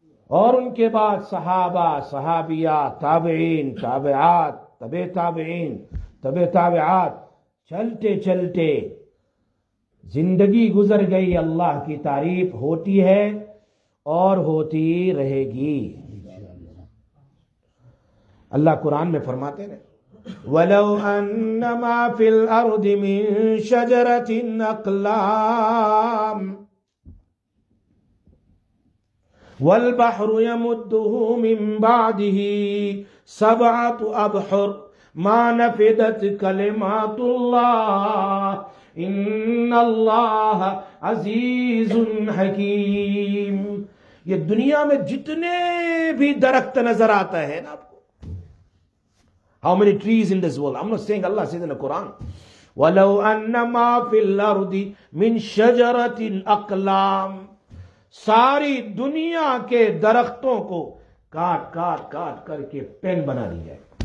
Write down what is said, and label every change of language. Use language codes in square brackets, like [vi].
[ur] اور ان کے بعد صحابہ، صحابیات، تابعین، تابعات، تبع تابعین، تبع تابعات، چلتے چلتے زندگی گزر گئی، اللہ کی تعریف ہوتی ہے اور ہوتی رہے گی. اللہ قرآن میں فرماتے ہیں، [ar] وَلَوْ أَنَّمَا فِي الْأَرْضِ مِن شَجَرَةٍ أَقْلَامٍ والبحر يمده من بعده سبعة أبحر ما نفدت كلمات الله إن الله عزيز حكيم. [ur] یہ دنیا میں جتنے بھی درخت نظر آتا ہے نا، [en] how many trees in this world. I'm not saying Allah says in the Quran [ar] وَلَوْ أَنَّ مَا فِي الْأَرْضِ مِنْ شَجَرَةٍ أَقْلَامٍ، [ur] ساری دنیا کے درختوں کو کاٹ کاٹ کاٹ کر کے پین بنا لی جائے.